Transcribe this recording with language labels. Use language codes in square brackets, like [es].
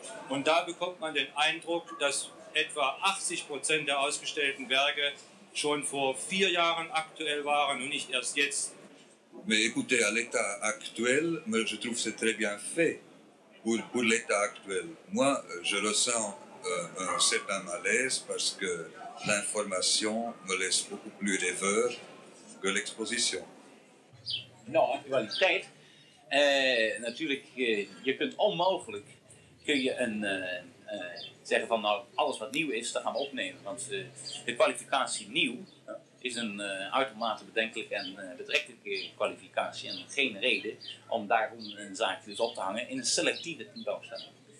[nl] En daar [de] bekommt man den Eindruck, dass etwa 80% der ausgestellten Werke schon vor vier Jahren aktuell waren und nicht erst jetzt. [fr] Mais écoutez, à l'état actuel, mais je trouve que c'est très bien fait pour l'état actuel. Moi, je ressens un certain malaise parce que l'information me laisse beaucoup plus rêveur que l'exposition. [nl] Non, actualiteit. Natuurlijk, je kunt onmogelijk kun je een, zeggen van nou, alles wat nieuw is, dat gaan we opnemen. Want de kwalificatie nieuw is een uitermate bedenkelijke en betrekkelijke kwalificatie en geen reden om daarom een zaakje dus op te hangen in een selectieve tentoonstelling.